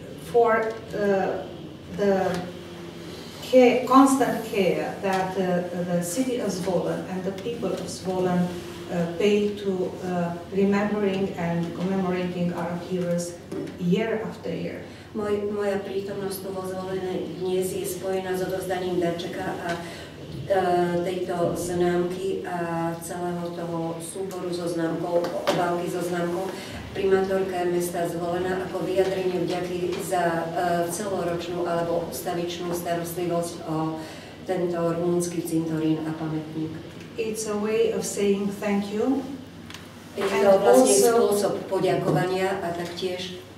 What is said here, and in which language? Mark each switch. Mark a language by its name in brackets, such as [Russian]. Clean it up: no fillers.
[English] for the care, constant care that the city of Zvolen and the people of Zvolen pay to remembering and commemorating our heroes year after year. [Slovak] Moja prítomnosť vo Zvolene dnes je spojená s odovzdaním darčeka a tejto známky a celého toho súboru so známkou, obálky so známkou primátorka mesta Zvolena ako vyjadrenie vďaky za celoročnú alebo ustavičnú starostlivosť o tento rumúnsky cintorín a pamätník. [English] It's a way of saying thank you. [Slovak] Je to vlastne spôsob poďakovania a taktiež